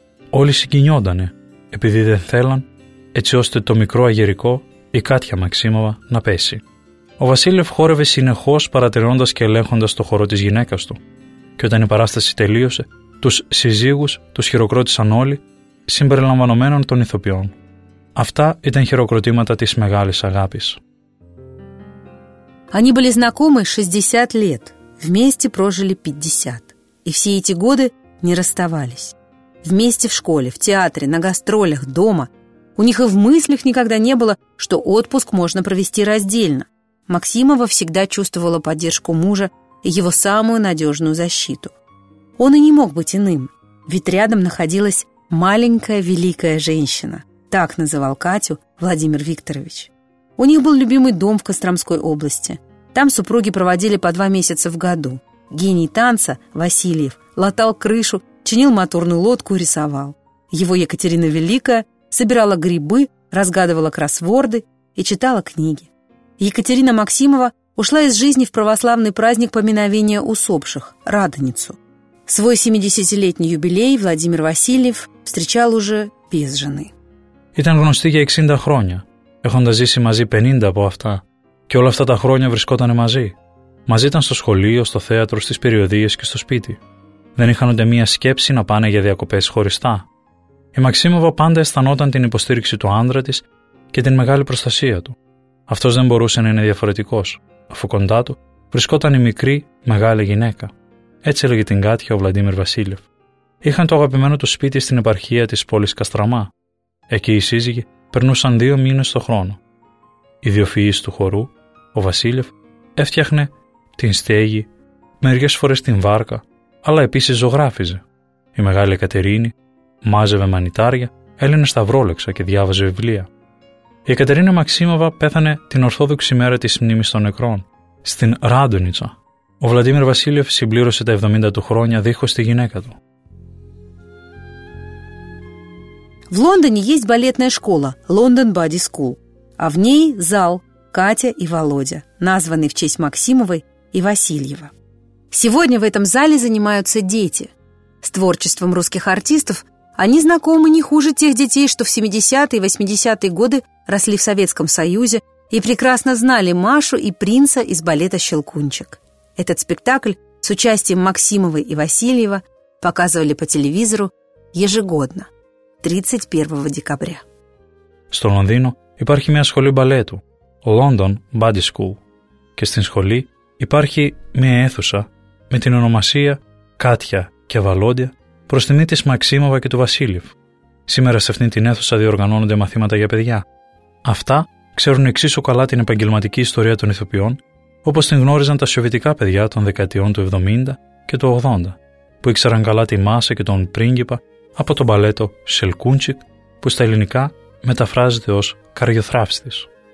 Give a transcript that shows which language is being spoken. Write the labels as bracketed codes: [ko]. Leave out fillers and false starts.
[el] Όλοι συγκινιόντανε επειδή δεν θέλαν έτσι ώστε το μικρό αγερικό, η Κάτια Μαξίμοβα, να πέσει. Ο Βασίλευ χόρευε συνεχώς παρατηρώντας και ελέγχοντας το χορό της γυναίκας του. Και όταν η παράσταση τελείωσε, τους συζύγους τους χειροκρότησαν όλοι, συμπεριλαμβανομένων των ηθοποιών. Αυτά ήταν χειροκροτήματα της μεγάλης αγάπης. [ru] Они были знакомы 60 лет, вместе прожили 50. И все эти годы не расставались. Вместе в школе, в театре, на гастролях, дома. У них и в мыслях никогда не было, что отпуск можно провести раздельно. Максимова всегда чувствовала поддержку мужа и его самую надежную защиту. Он и не мог быть иным, ведь рядом находилась маленькая великая женщина. Так называл Катю Владимир Викторович. У них был любимый дом в Костромской области. Там супруги проводили по 2 месяца в году. Гений танца Васильев латал крышу, чинил моторную лодку и рисовал. Его Екатерина Великая собирала грибы, разгадывала кроссворды и читала книги. Екатерина Максимова ушла из жизни в православный праздник поминовения усопших – Радоницу. Свой 70-летний юбилей Владимир Васильев встречал уже без жены. [el] Ήταν γνωστή για 60 χρόνια, έχοντας ζήσει μαζί 50 από αυτά. Και όλα αυτά τα χρόνια βρισκόταν μαζί. Μαζί ήταν στο σχολείο, στο θέατρο, στις περιοδίες και στο σπίτι. Δεν είχαν ούτε μία σκέψη να πάνε για διακοπές χωριστά. Η Μαξίμοβα πάντα αισθανόταν την υποστήριξη του άντρα της και την μεγάλη προστασία του. Αυτός δεν μπορούσε να είναι διαφορετικός, αφού κοντά του βρισκόταν η μικρή, μεγάλη γυναίκα. Έτσι έλεγε την Κάτια ο Βλαντίμιρ Βασίλευ. Είχαν το αγαπημένο του σπίτι στην επαρχία της πόλης Καστραμά. Εκεί οι σύζυγοι περνούσαν 2 μήνες το χρόνο. Ιδιοφυής του χορού, ο Βασίλευ έφτιαχνε την στέγη, μερικές φορές την βάρκα, αλλά επίσης ζωγράφιζε. Η μεγάλη Εκατερίνη μάζευε μανιτάρια, έλυνε σταυρόλεξα και διάβαζε βιβλία. Η Εκατερίνη Μαξίμοβα πέθανε την ορθόδοξη μέρα της μνήμης των νεκρών, στην Ράντονιτσα. Ο Βλαντίμιρ Βασίλευ συμπλήρωσε τα 70 του χρόνια δίχως τη γυναίκα του. [ru] В Лондоне есть балетная школа London Body School, а в ней зал Катя и Володя, названный в честь Максимовой и Васильева. Сегодня в этом зале занимаются дети. С творчеством русских артистов они знакомы не хуже тех детей, что в 70-е и 80-е годы росли в Советском Союзе и прекрасно знали Машу и принца из балета «Щелкунчик». Этот спектакль с участием Максимовой и Васильева показывали по телевизору ежегодно. 31 декабря. [el] Στο Λονδίνο υπάρχει μια σχολή μπαλέτου, London Body School, και στην σχολή υπάρχει μια αίθουσα με την ονομασία Κάτια και Βαλόντια προς τιμή της Μαξίμοβα και του Βασίλευ. Σήμερα σε αυτήν την αίθουσα διοργανώνονται μαθήματα για παιδιά. Αυτά ξέρουν εξίσου καλά την επαγγελματική ιστορία των ηθοποιών, όπως την γνώριζαν τα σοβιετικά παιδιά των δεκαετιών του 70 και του 80, που ήξεραν καλά τη Μάσα και τον πρίγκιπα από το μπαλέτο «Σελκούντσικ», που στα ελληνικά μεταφράζεται ως «Καριοθράφστης».